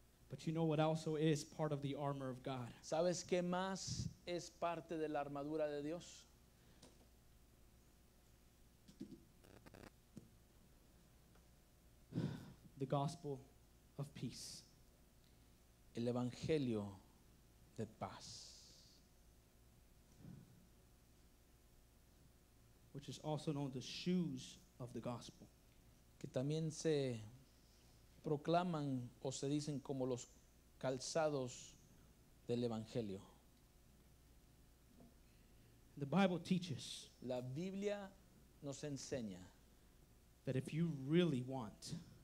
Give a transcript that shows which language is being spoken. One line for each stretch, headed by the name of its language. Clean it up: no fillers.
English: But you know what also is part of the armor of God?
Spanish: ¿Sabes qué más es parte de la armadura de Dios?
English: The gospel of peace.
Spanish: El evangelio de paz.
English: Which is also known as the shoes of the gospel.
Spanish: Que también se proclaman o se dicen como los calzados del evangelio.
English: The Bible teaches.
Spanish: La Biblia nos enseña.
English: That if you really want.